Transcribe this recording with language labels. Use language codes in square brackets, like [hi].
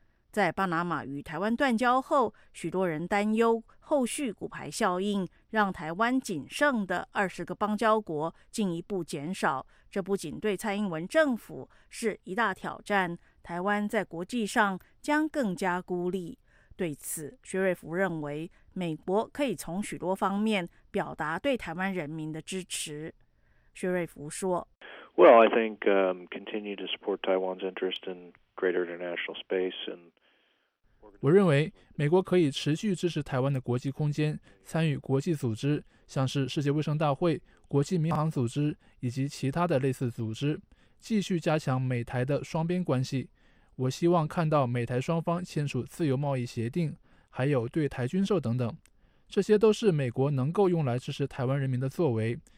[zh] 在巴拿马与台湾断交后，许多人担忧后续骨牌效应让台湾仅剩的20个邦交国进一步减少，这不仅对蔡英文政府是一大挑战，台湾在国际上将更加孤立。对此，薛瑞福认为美国可以从许多方面表达对台湾人民的支持。薛瑞福说， [en] Well, I think continue to support Taiwan's interest in greater international space and [zh] 我认为美国可以持续支持台湾的国际空间，参与国际组织，像是世界卫生大会、国际民航组织以及其他的类似组织，继续加强美台的双边关系。我希望看到美台双方签署自由贸易协定，还有对台军售等等，这些都是美国能够用来支持台湾人民的作为。